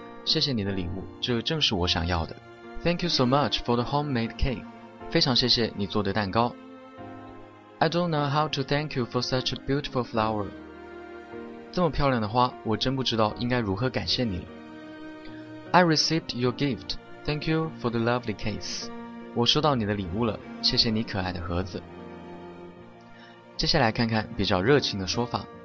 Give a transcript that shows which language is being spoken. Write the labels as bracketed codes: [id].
[zh] 谢谢你的礼物，这正是我想要的。 [en] Thank you so much for the homemade cake. [zh] 非常谢谢你做的蛋糕。 [en] I don't know how to thank you for such a beautiful flower. [zh] 这么漂亮的花，我真不知道应该如何感谢你了。 [en] I received your gift. Thank you for the lovely case. [zh] 我收到你的礼物了，谢谢你可爱的盒子。接下来看看比较热情的说法。